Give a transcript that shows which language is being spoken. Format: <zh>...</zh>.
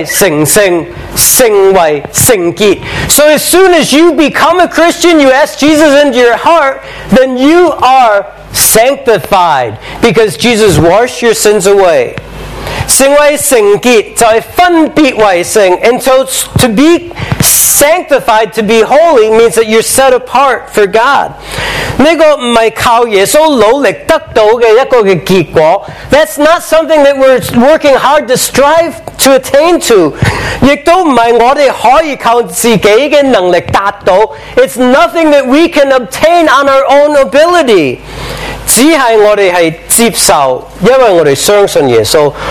<zh>所以你一相信耶稣，请耶稣入你心里边，你就是成圣，成为圣洁.</zh> <en>So as soon as you become a Christian, you ask Jesus into your heart, then you are sanctified, because Jesus washed your sins away.</en> <zh>成为圣洁就是分别为圣,</zh> <en>and so to be sanctified, to be holy, means that you're set apart for God.</en> <zh>那个不是靠耶稣努力得到的一个结果.</zh> <en>That's not something that we're working hard to strive to attain to.</en> <zh>也都不是我们可以靠自己的能力达到.</zh> <en>It's nothing that we can obtain on our own ability.</en> <zh>只是我们是接受，因为我们相信耶稣。</zh>